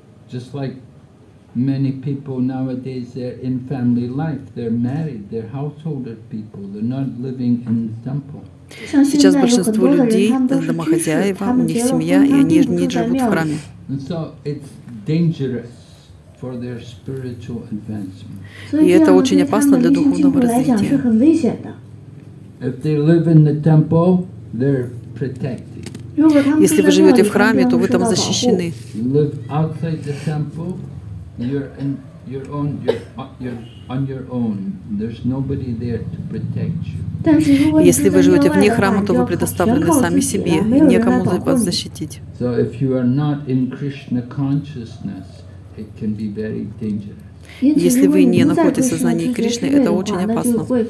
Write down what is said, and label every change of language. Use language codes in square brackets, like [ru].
[en] Just like many people nowadays, they're in family life, they're married, they're householder people, they're not living in the temple. [ru] Сейчас большинство людей домохозяева, у них семья, и они не живут в храме. [en] And so it's dangerous for their spiritual advancement. [ru] И это очень опасно для духовного развития. [en] If they live in the temple, they're protected. [ru] Если вы живете в храме, то вы там защищены. [en] You live outside the temple, you're on your own. There's nobody there to protect you. [ru] Если вы живете вне храма, то вы предоставлены сами себе, и некому вас защитить. [en] So if you are not in Krishna consciousness, it can be very dangerous. [ru] Если вы не находитесь в сознании Кришны, это очень опасно.